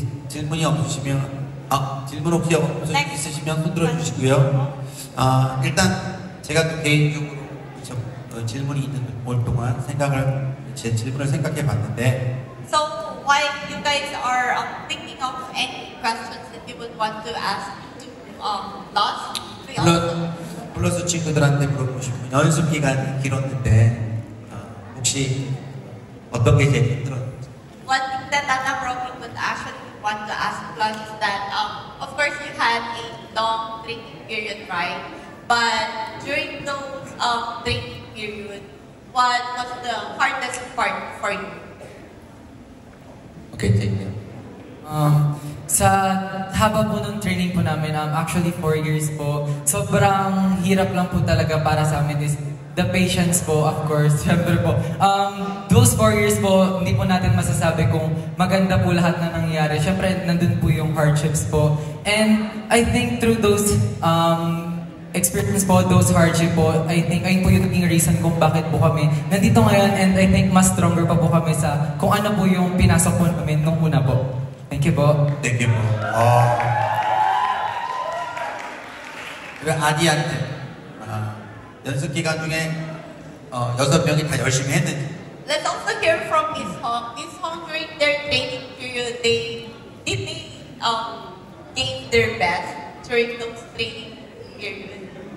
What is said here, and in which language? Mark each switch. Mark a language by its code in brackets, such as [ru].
[ko] 질문이 없으시면 질문 혹시 있으시면 흔들어 주시고요. 일단 제가 또 개인적으로 질문이 있는 올 동안 생각을 제 질문을 생각해 봤는데. [en] So why you guys are thinking of any questions that you would want to ask to us? [ko] 플러스 친구들한테 물어보고 싶은 연습 기간이 길었는데 혹시 어떤 게 제일 힘들었는지. [en] One thing that I'm probably would actually want to ask PLUUS is that of course you had a long training period, right? But during those training period, what was the hardest part for you? Okay, thank you. [tl] Sa haba po ng training po namin, actually 4 years po, sobrang hirap lang po talaga para sa amin is the patience po, of course, syempre po. Those 4 years po, hindi po natin masasabi kung maganda po lahat na nangyari. Syempre, nandun po yung hardships po. And I think through those experience po, those hardships po, I think ayun po yung naging reason kung bakit po kami nandito ngayon and I think mas stronger pa po kami sa kung ano po yung pinasok po namin nung una po. Thank you po. [en] Thank you po. Adiante. [ko] 연습 기간 중에 여섯 명이 다 열심히 했는지. [en] Let's also hear from Miss Hong. Miss Hong, during their training period, they did they gave their best during those training period.